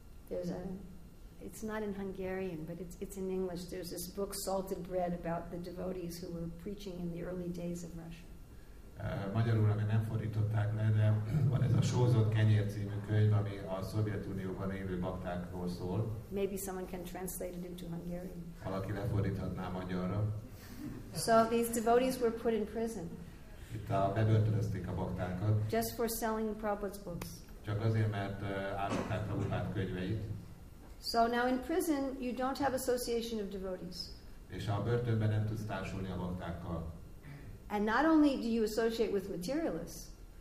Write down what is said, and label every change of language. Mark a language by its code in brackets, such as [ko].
[en] There's a, it's not in Hungarian, but it's in English. There's this book, Salted Bread, about the devotees who were preaching in the early days of Russia. [hu] Magyarul, ami nem fordították le, de van ez a Sózott Kenyér című könyv, ami a Szovjetunióban élő baktákról szól. [en] Maybe someone can translate it into Hungarian. [hu] Valaki lefordíthatná magyarra. [en] So these devotees were put in prison. [hu] Itt a bebörtönözték a baktákat. [en] Just for selling Prabhupada's books. [hu] Csak azért, mert árulták Prabhupada könyveit. [en] So now in prison you don't have association of devotees. [hu] És a börtönben nem tudsz társulni a baktákkal. [en] And not only do you associate with materialists.